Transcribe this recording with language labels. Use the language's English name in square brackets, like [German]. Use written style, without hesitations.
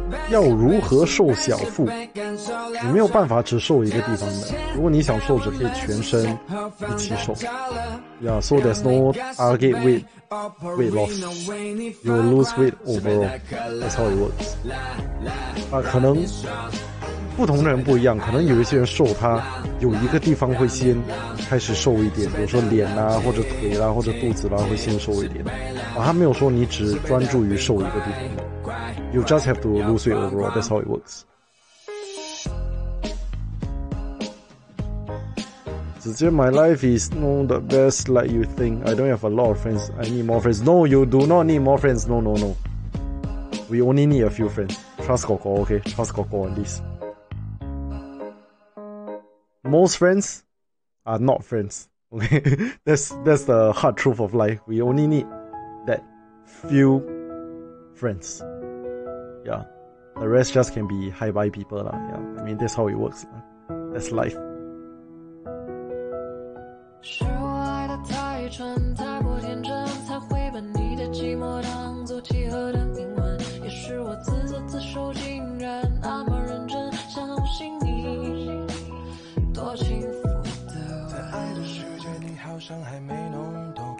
[Chinese] 要如何瘦小腹？你没有办法只瘦一个地方的，如果你想瘦只可以全身一起瘦。 [English] Yeah, so there's no target weight loss, you lose weight overall, that's how it works. [Chinese] 可能不同的人不一样，可能有一些人瘦他有一个地方会先开始瘦一点，比如说脸啦、或者腿啦、或者肚子啦会先瘦一点、他没有说你只专注于瘦一个地方的。 [English] You just have to lose it overall, that's how it works. [Chinese] 直接 [English] my life is not the best like you think. I don't have a lot of friends, I need more friends. No, you do not need more friends, no, no, no. We only need a few friends. Trust Coco, okay? Trust Coco on this. Most friends are not friends, okay? That's the hard truth of life. We only need that few friends. Yeah, the rest just can be high by people lah. Yeah, I mean that's how it works. That's life. [Chinese] 是我爱的太纯，太不天真，才会把你的寂寞当作契合的命运。也是我自作自受，竟然那么认真，相信你。多幸福的我，在爱的世界，你好像还没弄懂。